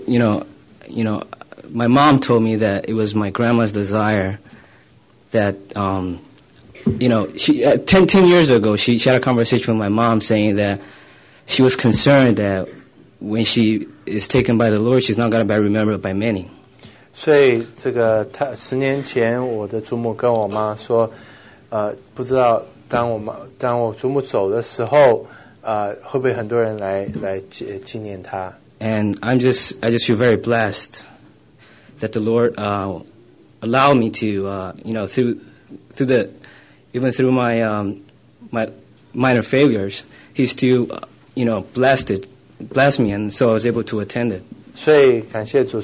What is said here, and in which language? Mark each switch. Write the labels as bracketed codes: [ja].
[en] you know, my mom told me that it was my grandma's desire that, you know, ten years ago, she had a conversation with my mom saying that she was concerned that when she is taken by the Lord, she's not going to be remembered by many. [zh] 所以这个十年前我的祖母跟我妈说，不知道。当我祖母走的时候，会不会很多人来纪念他？ [en] And I just feel very blessed that the Lord allowed me to you know through my my minor failures, He still you know blessed me, and so I was able to attend it.